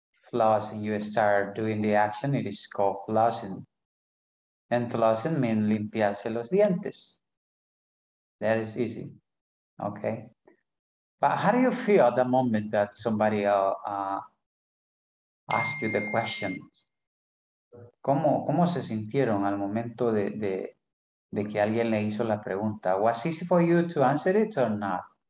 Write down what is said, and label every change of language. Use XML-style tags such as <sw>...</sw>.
<en>floss and you start doing the action, it is called flossing. And flossing means</en> <es>limpiarse los dientes.</es> <en>That is easy. Okay. But how do you feel at the moment that somebody asks you the questions?</en> <es>¿Cómo se sintieron al momento de que alguien le hizo la pregunta?</es> <en>Was easy for you to answer it or not?</en>